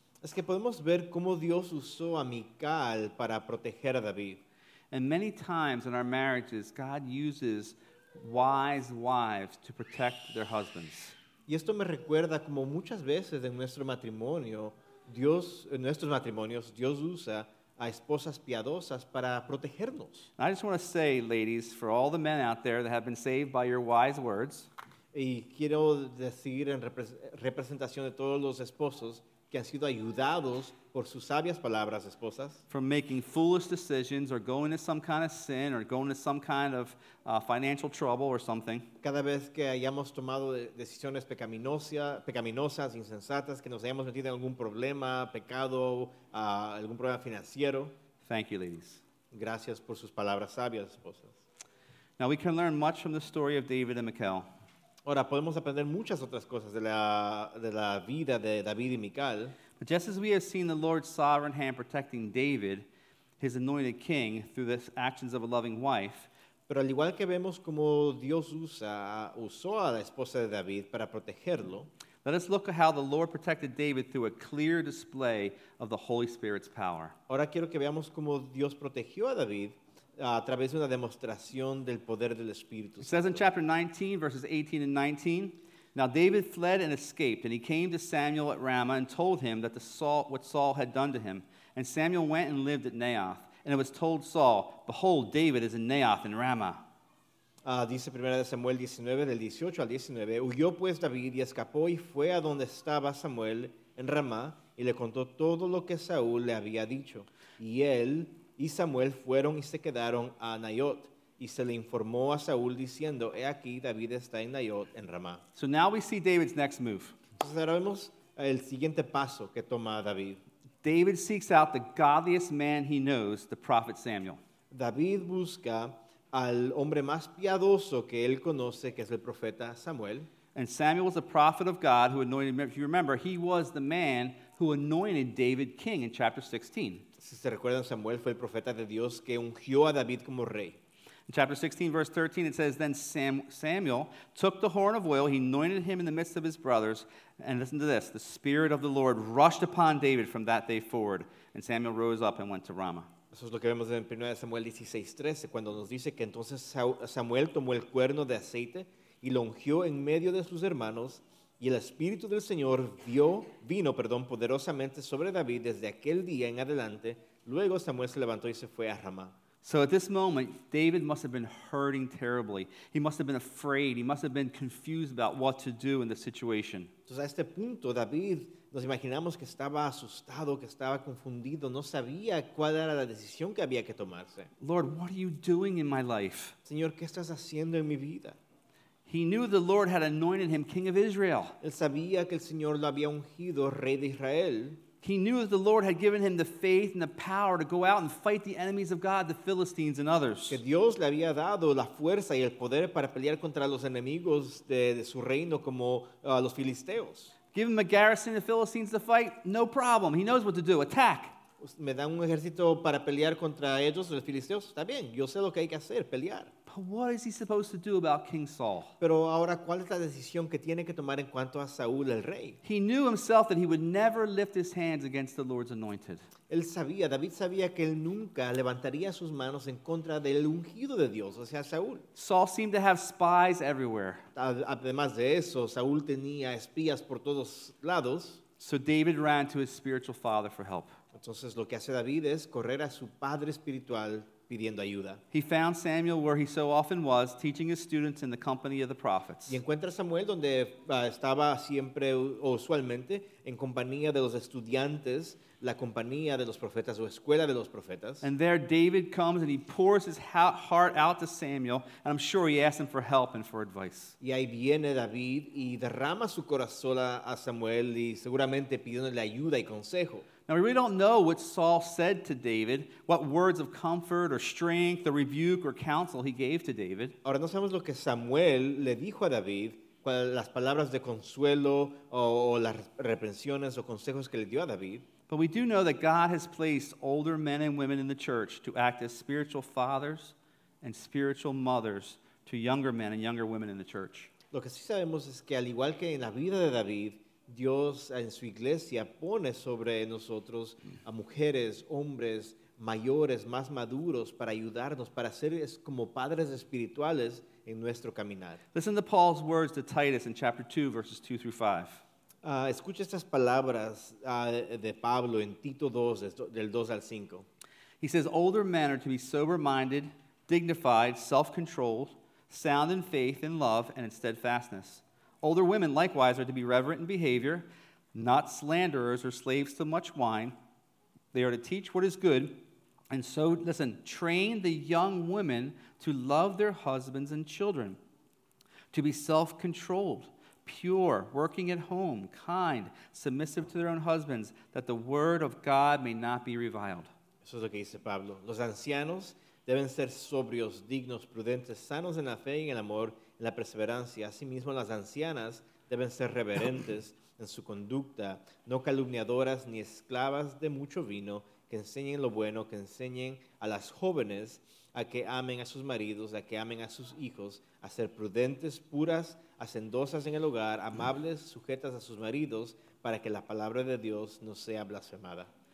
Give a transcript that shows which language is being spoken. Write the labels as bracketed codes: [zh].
[es] Es que podemos ver cómo Dios usó a Mical para proteger a David. [en] And many times in our marriages, God uses wise wives to protect their husbands. [es] Y esto me recuerda como muchas veces en nuestro matrimonio, Dios, en nuestros matrimonios, Dios usa a esposas piadosas para protegernos. [en] And I just want to say, ladies, for all the men out there that have been saved by your wise words, [es] y quiero decir en representación de todos los esposos que han sido ayudados por sus sabias palabras, esposas, [en] from making foolish decisions or going to some kind of sin or going to some kind of financial trouble or something. [es] Cada vez que hayamos tomado decisiones pecaminosas, insensatas, que nos hayamos metido en algún problema, pecado, algún problema financiero. [en] Thank you, ladies. [es] Gracias por sus palabras sabias, esposas. [en] Now we can learn much from the story of David and Michal. [es] Ahora podemos aprender muchas otras cosas de la vida de David y Mical. [en] But just as we have seen the Lord's sovereign hand protecting David, his anointed king, through the actions of a loving wife, [es] pero al igual que vemos como Dios usó a la esposa de David para protegerlo, [en] let us look at how the Lord protected David through a clear display of the Holy Spirit's power. [es] Ahora quiero que veamos como Dios protegió a David a través de una demostración del poder del Espíritu [en] Santo. It says in chapter 19, verses 18 and 19, now David fled and escaped, and he came to Samuel at Ramah and told him that what Saul had done to him. And Samuel went and lived at Naoth. And it was told Saul, behold, David is in Naoth in Ramah. [es] Dice 1 Samuel 19, del 18 al 19, huyó pues David y escapó y fue a donde estaba Samuel en Ramah y le contó todo lo que Saúl le había dicho. Y él y Samuel fueron y se quedaron a Naoth, y se le informó a Saúl diciendo, he aquí, David está en Naoth, en Ramá. [en] So now we see David's next move. [es] Entonces ahora vemos el siguiente paso que toma David. [en] David seeks out the godliest man he knows, the prophet Samuel. [es] David busca al hombre más piadoso que él conoce, que es el profeta Samuel. [en] And Samuel was a prophet of God who anointed him. If you remember, he was the man who anointed David king in chapter 16. [es] Si se recuerdan, Samuel fue el profeta de Dios que ungió a David como rey. [en] In chapter 16, verse 13, it says, then Samuel took the horn of oil, he anointed him in the midst of his brothers, and listen to this, the Spirit of the Lord rushed upon David from that day forward, and Samuel rose up and went to Ramah. [es] Eso es lo que vemos en 1 Samuel 16, 13, cuando nos dice que entonces Samuel tomó el cuerno de aceite y lo ungió en medio de sus hermanos, y el Espíritu del Señor vino poderosamente sobre David desde aquel día en adelante. Luego Samuel se levantó y se fue a Ramá. [en] So at this moment, David must have been hurting terribly. He must have been afraid. He must have been confused about what to do in the situation. [es] Entonces a este punto, David, nos imaginamos que estaba asustado, que estaba confundido, no sabía cuál era la decisión que había que tomarse. [en] Lord, what are you doing in my life? [es] Señor, ¿qué estás haciendo en mi vida? [en] He knew the Lord had anointed him king of Israel. [es] Él sabía que el Señor lo había ungido rey de Israel. [en] He knew that the Lord had given him the faith and the power to go out and fight the enemies of God, the Philistines and others. [es] Que Dios le había dado la fuerza y el poder para pelear contra los enemigos de su reino como los filisteos. [en] Give him a garrison of the Philistines to fight? No problem. He knows what to do. Attack. [es] Me dan un ejército para pelear contra ellos, los filisteos. Está bien. Yo sé lo que hay que hacer, pelear. [en] But what is he supposed to do about King Saul? [es] Pero ahora, ¿cuál es la decisión que tiene que tomar en cuanto a Saúl, el rey? [en] He knew himself that he would never lift his hands against the Lord's anointed. [es] Él sabía, David sabía que él nunca levantaría sus manos en contra del ungido de Dios, o sea, Saúl. [en] Saul seemed to have spies everywhere. [es] Además de eso, Saúl tenía espías por todos lados. [en] So David ran to his spiritual father for help. [es] Entonces, lo que hace David es correr a su padre espiritual pidiendo ayuda. [en] He found Samuel where he so often was, teaching his students in the company of the prophets. [es] Y encuentra a Samuel donde estaba siempre o usualmente en compañía de los estudiantes, la compañía de los profetas o escuela de los profetas. [en] And there David comes and he pours his heart out to Samuel, and I'm sure he asked him for help and for advice. [es] Y ahí viene David y derrama su corazón a Samuel y seguramente pidiéndole ayuda y consejo. [en] Now we really don't know what Saul said to David, what words of comfort or strength or rebuke or counsel he gave to David. [es] Ahora no sabemos lo que Samuel le dijo a David, las palabras de consuelo o las reprensiones o consejos que le dio a David. [en] But we do know that God has placed older men and women in the church to act as spiritual fathers and spiritual mothers to younger men and younger women in the church. [es] Lo que sí sabemos es que al igual que en la vida de David, Dios en su iglesia pone sobre nosotros a mujeres, hombres, mayores, más maduros para ayudarnos, para ser como padres espirituales en nuestro caminar. [en] Listen to Paul's words to Titus in chapter 2, verses 2 through 5. [es] Escucha estas palabras de Pablo en Tito 2, del 2 al 5. [en] He says, older men are to be sober-minded, dignified, self-controlled, sound in faith, in love, and in steadfastness. Older women, likewise, are to be reverent in behavior, not slanderers or slaves to much wine. They are to teach what is good. And so, listen, train the young women to love their husbands and children, to be self-controlled, pure, working at home, kind, submissive to their own husbands, that the word of God may not be reviled. [es] Eso es lo que dice Pablo. Los ancianos deben ser sobrios, dignos, prudentes, sanos en la fe y en el amor, en la perseverancia. Asimismo, las ancianas deben ser reverentes en su conducta, no calumniadoras ni esclavas de mucho vino, que enseñen lo bueno, que enseñen a las jóvenes a que amen a sus maridos, a que amen a sus hijos, a ser prudentes, puras, hacendosas en el hogar, amables, sujetas a sus maridos, para que la palabra de Dios no sea blasfemada.